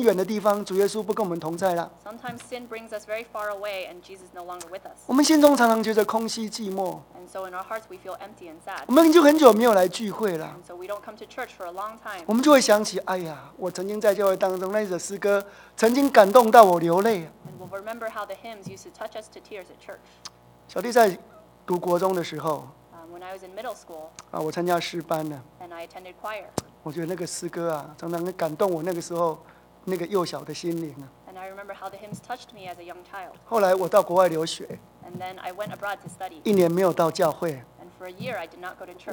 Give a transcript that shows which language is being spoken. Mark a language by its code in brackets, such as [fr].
[zh] 有时候我们被罪掳了，掳到一个很远的地方，主耶稣不跟我们同在了。Sometimes [en] sin brings us very far away, and Jesus no longer with us. [zh] 我们心中常常觉得空虚寂寞。And [en] so in our hearts we feel empty and sad. [zh] 我们已经很久没有来聚会了。And [en] so we don't come to church for a long time. [zh] 我们就会想起，哎呀，我曾经在教会当中，那些诗歌曾经感动到我流泪。And [en] we'll remember how the hymns used to touch us to tears at church. [zh] 小弟在读国中的时候。 [en] When I was in middle school, [zh] 啊, 我参加诗班了, [en] and I attended choir, [zh] 我觉得那个诗歌啊, 常常感动我那个时候, 那个幼小的心灵啊, [en] and I remember how the hymns touched me as a young child. [zh] 后来我到国外留学, [en] and then I went abroad to study. [zh] 一年没有到教会, [en] and for a year I did not go to church.